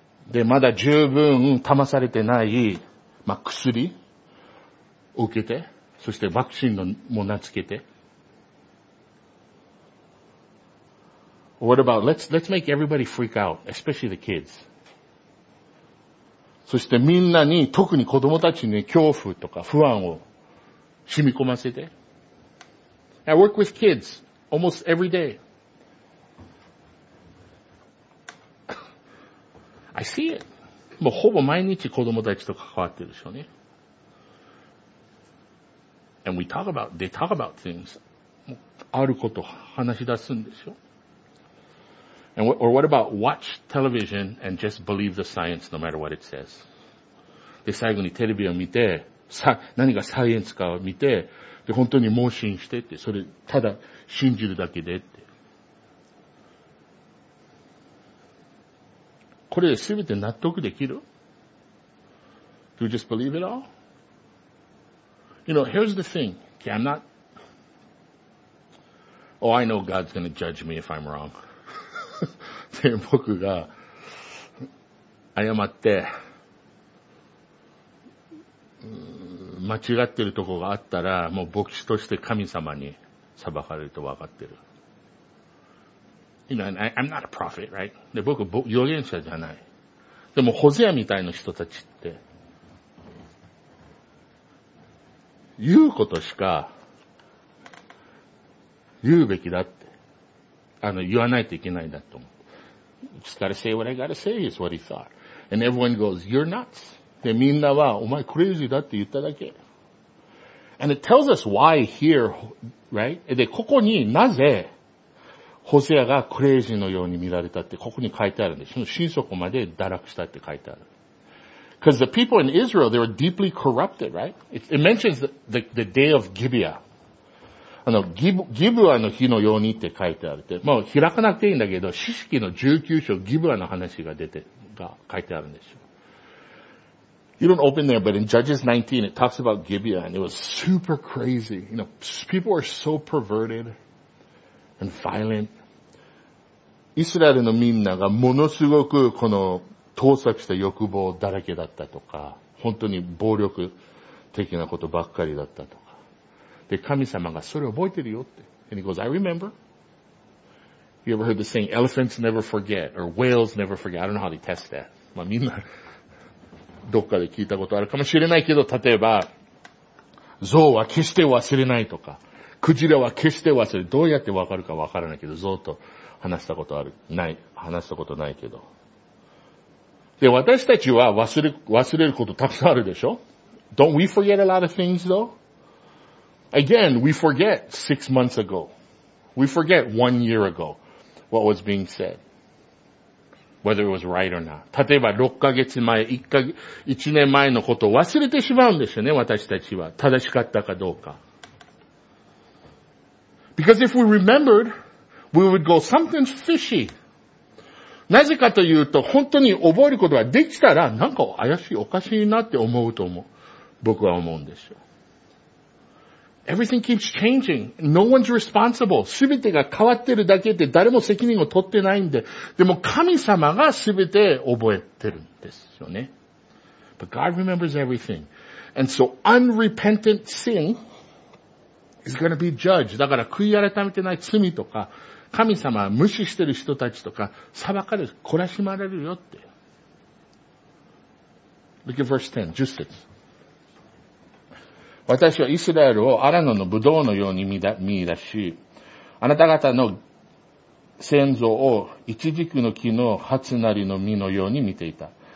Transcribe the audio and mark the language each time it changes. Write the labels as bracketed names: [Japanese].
[Japanese] で、まだ十分試されてない、まあ、薬を受けて、そしてワクチンのも名付けて。 [English] What about, let's make everybody freak out, especially the kids. [Japanese] そしてみんなに、特に子供たちに恐怖とか不安を染み込ませて。 [English] I work with kids almost every day. I see it. [Japanese] もうほぼ毎日子供たちと関わってるでしょうね。 [English] And we talk about, they talk about things. [Japanese] あること話し出すんでしょ。 [English] And what, or what about watch television and just believe the science no matter what it says? [Japanese] で、最後にテレビを見て、何がサイエンスかを見て、で、本当に盲信してって、それ、ただ信じるだけでって。これで全て納得できる? [English] Do you just believe it all? You know, here's the thing. Okay, I'm not... Oh, I know God's going to judge me if I'm wrong. [Japanese] で、僕が謝って、間違ってるところがあったら、もう牧師として神様に裁かれると分かってる。 [English] You know, I'm not a prophet, right? [Japanese] で、僕、預言者じゃない。でも、ホゼアみたいな人たちって、言うことしか言うべきだって。言わないといけないんだと思う。 [English] Just gotta say what I gotta say is what he thought. And everyone goes, you're nuts. [Japanese] で、みんなは、お前クレイジーだって言っただけ。 [English] And it tells us why here, right? [Japanese] で、ここになぜ、ホセアがクレイジーのように見られたって、ここに書いてあるんです。心底まで堕落したって書いてある。 [English] Because the people in Israel, they were deeply corrupted, right? It mentions the day of Gibeah. [Japanese] ギブアの日のようにって書いてあるって。もう開かなくていいんだけど、詩式の19章、ギブアの話が出て、が書いてあるんですよ。 [English] You don't open there, but in Judges 19, it talks about Gibeah, and it was super crazy. You know, people are so perverted and violent. [Japanese] イスラエルのみんながものすごくこの盗作した欲望だらけだったとか、本当に暴力的なことばっかりだったとか。で、神様がそれを覚えてるよって。 [English] And he goes, I remember. You ever heard the saying, elephants never forget, or whales never forget? I don't know how they test that. [Japanese] まあみんな、どっかで聞いたことあるかもしれないけど、例えば、象は決して忘れないとか、クジラは決して忘れない。どうやってわかるかわからないけど、象と話したことある、ない、話したことないけど。で、私たちは忘れることたくさんあるでしょ? [English] Don't we forget a lot of things though? Again, we forget 6 months ago. We forget 1 year ago what was being said. Whether it was right or not. [Japanese] 例えば6ヶ月前、1年前のことを忘れてしまうんですよね、私たちは。正しかったかどうか。 [English] Because if we remembered, we would go, something's fishy. [Japanese] なぜかというと、本当に覚えることができたら、なんか怪しい、おかしいなって思うと思う。僕は思うんですよ。 [English] Everything keeps changing. No one's responsible. [Japanese] 全てが変わってるだけで誰も責任を取ってないんで。でも神様が全て覚えてるんですよね。 [English] But God remembers everything. And so unrepentant sin is going to be judged. [Japanese] だから悔い改めてない罪とか、神様は無視してる人たちとか、裁かれる、懲らしまれるよって。 [English] Look at verse 10, 10節。 [Japanese] 私はイスラエルをアラノのブドウのように見出し、あなた方の先祖をイチジクの木の初なりの実のように見ていた。